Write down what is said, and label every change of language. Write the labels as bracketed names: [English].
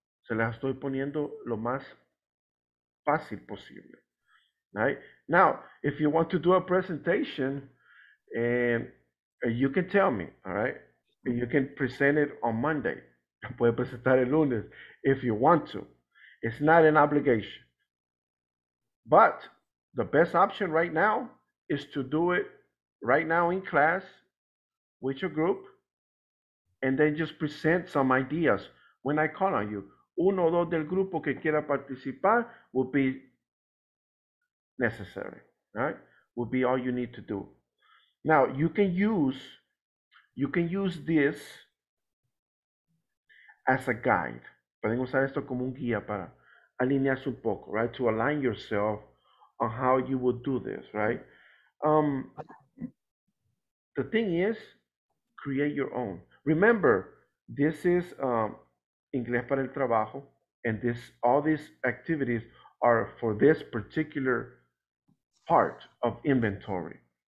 [Spanish] Se las estoy poniendo lo más fácil posible. [English] All right? Now, if you want to do a presentation, you can tell me, all right? You can present it on Monday. [Spanish] Puede presentar el lunes [English] if you want to. It's not an obligation. But the best option right now is to do it right now in class with your group and then just present some ideas when I call on you. [Spanish] Uno o dos del grupo que quiera participar [English] will be necessary, right? Will be all you need to do. Now, you can use this as a guide. [Spanish] Pueden usar esto como un guía para alinearse un poco, [English] right? To align yourself on how you would do this, right? The thing is, create your own. Remember, this is Inglés para el Trabajo, and this all these activities are for this particular part of inventory.